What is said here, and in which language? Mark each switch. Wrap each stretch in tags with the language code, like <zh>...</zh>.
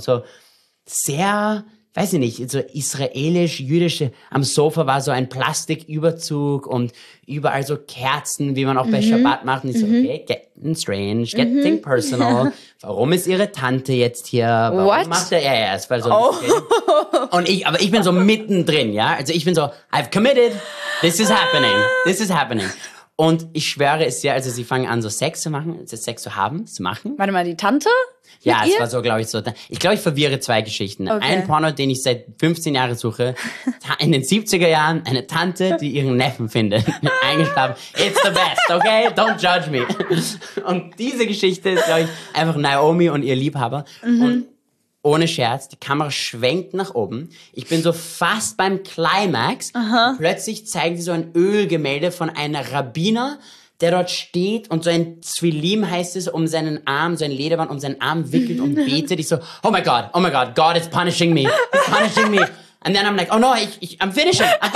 <de>So sehr, weiß ich nicht, so israelisch-jüdische. Am Sofa war so ein Plastiküberzug und überall so Kerzen, wie man auch bei Shabbat macht. Und ich so, okay,</de> <en>getting strange, getting personal.</en> <de>Warum ist ihre Tante jetzt hier? Warum macht er? Ja, es war so ein Und ich, aber ich bin so mittendrin, ja? Also ich bin so,</de> <en>I've committed, this is happening.</en> <de>Und ich schwöre es dir, also sie fangen an, so Sex zu machen, Sex zu haben, zu machen. Warte mal, die Tante? Ja, es war so, glaube ich, so. Ich glaube, ich verwirre zwei Geschichten. Okay. Ein Porno, den ich seit 15 Jahren suche, in den 70er Jahren, eine Tante, die ihren Neffen findet, eingeschlafen.</de> <en>It's the best, okay? Don't judge me.</en> <de>Und diese Geschichte ist, glaube ich, einfach Naomi und ihr Liebhaber. Und ohne Scherz, die Kamera schwenkt nach oben. Ich bin so fast beim Climax. Plötzlich zeigen sie so ein Ölgemälde von einer Rabbiner, der dort steht und so ein Zwilim heißt es, um seinen Arm, so ein Lederband um seinen Arm wickelt und betet. Ich so, oh mein Gott,</de> <en>God is punishing me. He's punishing me. And then I'm like, oh no, I'm finishing.</en>